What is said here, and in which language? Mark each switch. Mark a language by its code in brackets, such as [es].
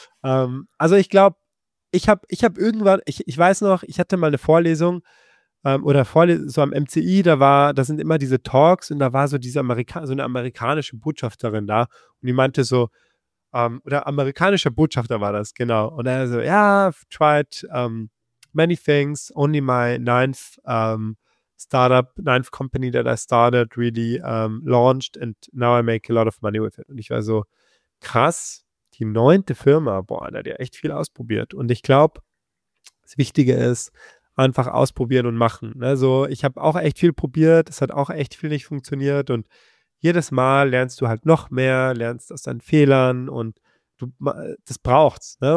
[de] Also ich glaube, ich hatte mal eine Vorlesung, so am MCI, da sind immer diese Talks und da war so diese eine amerikanische Botschafterin da und die meinte so, amerikanischer Botschafter war das, genau. Und er so, ja, [en] tried many things, only my ninth company that I started really launched and now I make a lot of money with it. [de] Und ich war so, krass, die 9. Firma, boah, da hat ja echt viel ausprobiert. Und ich glaube, das Wichtige ist, einfach ausprobieren und machen. Also ich habe auch echt viel probiert, es hat auch echt viel nicht funktioniert und jedes Mal lernst du halt noch mehr, lernst aus deinen Fehlern und das braucht's. Ne?